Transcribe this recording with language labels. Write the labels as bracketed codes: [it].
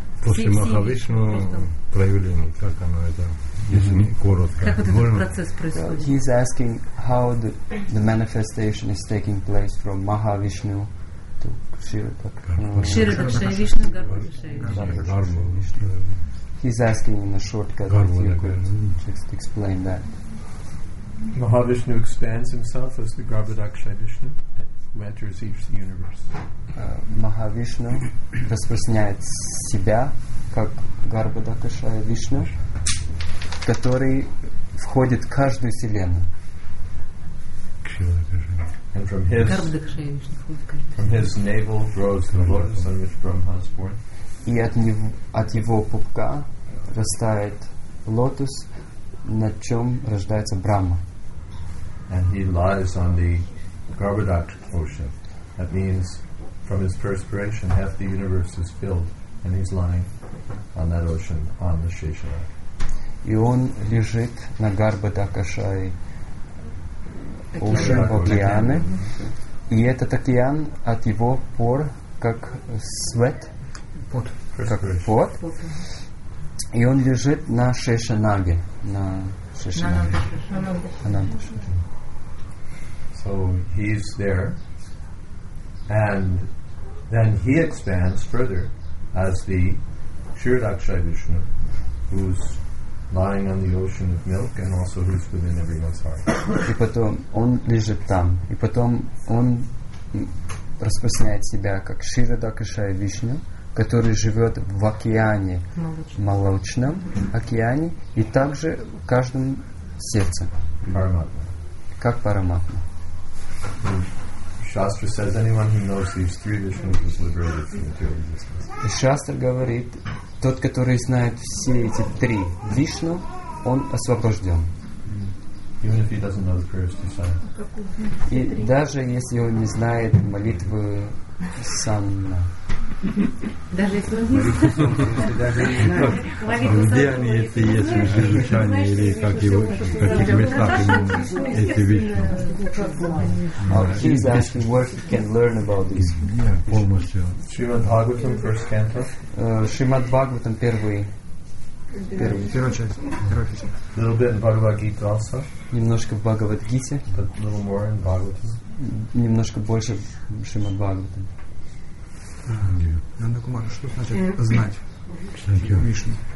[ru] После Махавишну проявление, как оно это, если не коротко. Как вот этот процесс происходит? [en] He's asking how the manifestation is taking place from Махавишну to Кшира Такшавишну. [ru] Кшира Такшавишну, Гарбхавишну. [en] He's asking in a shortcut if you could just explain that. Махавишну expands himself as the Гарбхавишну. Who enters each universe? [ru] Махавишну распространяет себя как Гарбхадакшая Вишну, который входит в каждую вселенную. [en] From his navel grows the lotus on which Brahma is born. [ru] И от его пупка растает лотос, на чем рождается Брахма. [en] And he lies on the Garbhadaksha portion. That means from his perspiration half the universe is filled and he's lying on that ocean on the Sheshara. [ru] И он лежит на Гарбхадакшае [en] ocean [ru] в океане И этот океан от его пор как свет. Пот. Как пот. И он лежит на Шешанаге. На Шешанаге. На [en] So he's there, and then he expands further as the Kshirdakshay Vishnu, who's lying on the ocean of milk and also who's within everyone's heart. [ru] И потом он лежит там, и потом он распространяет себя как Кширадакшая Вишна, который живет в океане молочном океане, и также в каждом сердце. Параматма. Как Параматма. [en] Shastra says anyone who knows these three Vishnus is liberated from material existence. [ru] Shastra говорит, тот, который знает все эти три Вишну, он освобожден. [en] Even if he doesn't know the prayers to say. [ru] И даже если он не знает молитвы Санна. Где они эти есть в Шишане или как его каких местах ему эти вещи? [en] He's asking where he can learn about this. Yeah, [ru] полностью. [en] Шримад Бхагаватам first canto. [ru] Шримад Бхагаватам первый. [en] Little bit in Bhagavad Gita also. [ru] Немножко в Бхагавад Гите. [en] But a little more in Бхагаватам. [ru] Немножко больше Шримад Бхагаватам. Надо Кумар, что значит знать Вишну?